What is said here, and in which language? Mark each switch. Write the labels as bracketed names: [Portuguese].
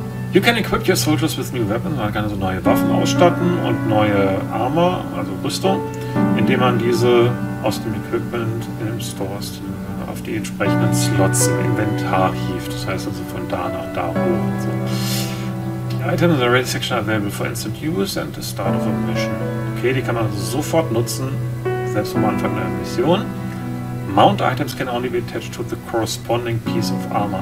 [English] You can equip your soldiers with new weapons, [German] man kann also neue Waffen ausstatten und neue Armor, also Rüstung, indem man diese aus dem Equipment in dem Stores auf die entsprechenden Slots im Inventar hieft. Das heißt also von da nach da hoch und so. [English] Die Items in the Ready Section are available for instant use and the start of a mission. [German] Okay, die kann man also sofort nutzen, selbst am Anfang einer Mission. [English] Mount Items can only be attached to the corresponding piece of armor.